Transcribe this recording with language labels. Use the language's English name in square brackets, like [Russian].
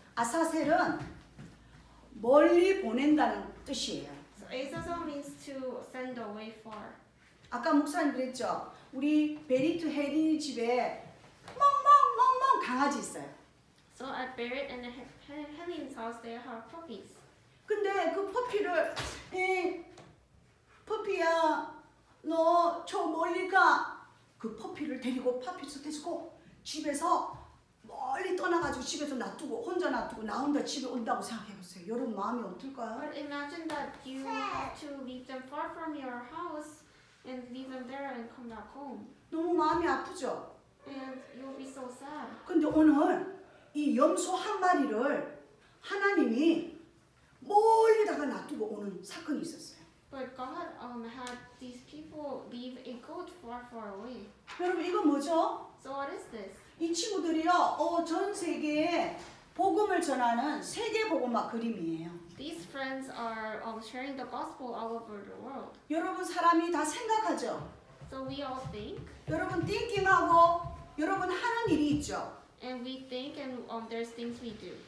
[Korean] 아사셀은 멀리 보낸다는 뜻이에요. [English] So Azazel means to send away far. [Korean] 아까 목사님 그랬죠? 우리 베리트 헤린이 집에 멍멍멍멍 강아지 있어요. [English] So at Berit and Helen's house they have puppies. [Korean] 근데 그 퍼피를 에이, 퍼피야 너 저 멀리 가. 그 퍼피를 데리고 퍼피 곁에 두고 집에서 멀리 떠나가지고 집에서 놔두고 혼자 놔두고 나 혼자 집에 온다고 생각해보세요. 여러분 마음이 어떨까요? [English] But imagine that you have to leave them far from your house and leave them there and come back home. [Korean] 너무 마음이 아프죠? [English] And you'll be so sad. [Korean] 근데 오늘 이 염소 한 마리를 하나님이 멀리다가 놔두고 오는 사건이 있었어요. [English] But God had these people leave a goat far, far away. [Korean] 여러분 이거 뭐죠? [English] So what is this? [Korean] 이 친구들이요, 전 세계에 복음을 전하는 세계 복음화 그림이에요. [English] These friends are sharing the gospel all over the world. [Korean] 여러분 사람이 다 생각하죠. [English] So we all think. [Korean] 여러분 thinking하고 여러분 하는 일이 있죠. [English] And we think and there's things we do.